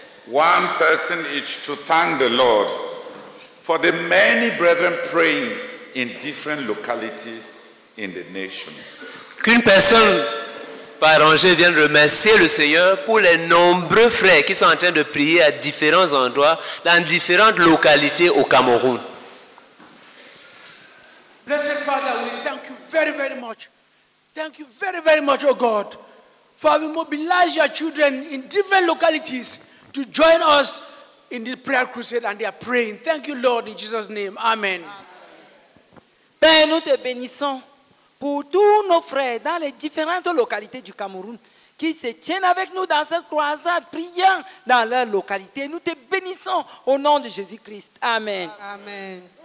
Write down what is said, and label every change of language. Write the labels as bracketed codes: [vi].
[en] One person each to thank the Lord for the many brethren praying in different localities in the nation. [fr] Qu'une personne Parents, je viens de remercier le Seigneur pour les nombreux frères qui sont en train de prier à différents endroits, dans différentes localités au Cameroun. [en] Blessed Father, we thank you very, very much. Thank you very, very much, oh God, for having mobilized your children in different localities to join us in this prayer crusade and they are praying. Thank you, Lord, in Jesus' name. Amen. [fr] Père, nous te bénissons pour tous nos frères dans les différentes localités du Cameroun qui se tiennent avec nous dans cette croisade, priant dans leur localité. Nous te bénissons au nom de Jésus-Christ. Amen. Amen.